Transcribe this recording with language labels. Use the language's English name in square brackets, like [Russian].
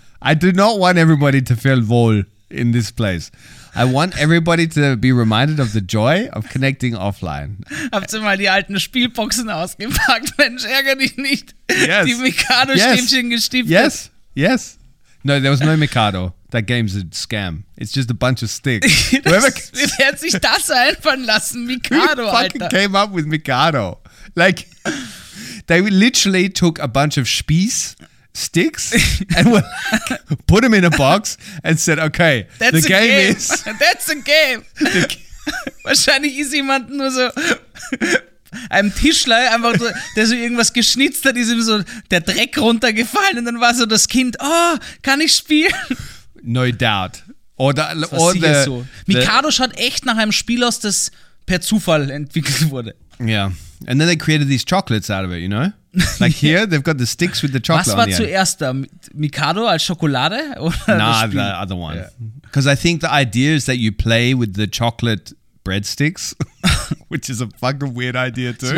[English] I do not want everybody to feel wohl in this place. I want everybody to be reminded of the joy of connecting offline. [German] Habt ihr mal die alten Spielboxen ausgepackt? Mensch, ärgere dich nicht. [English] Yes. [German] Die Mikado-Stäbchen gestiftet. [English] Yes. No, there was no Mikado. That game's a scam. It's just a bunch of sticks. [German] Wer hat sich das einfallen lassen? Mikado, Alter. [English] Who fucking came up with Mikado? Like, they literally took a bunch of Spieß sticks and put them in a box and said, okay, That's a game. [German] Wahrscheinlich ist jemand nur so... einem Tischler, einfach so, der so irgendwas geschnitzt hat, ist ihm so der Dreck runtergefallen und dann war so das Kind, oh, kann ich spielen? [English] No doubt. Oder [German] so. Mikado schaut echt nach einem Spiel aus, das per Zufall entwickelt wurde. [English] Yeah. And then they created these chocolates out of it, you know? Like here, they've got the sticks with the chocolate on [German] it. Was war zuerst da? Mikado als Schokolade? [English] The other one. Because I think the idea is that you play with the chocolate breadsticks, which is a fucking weird idea too.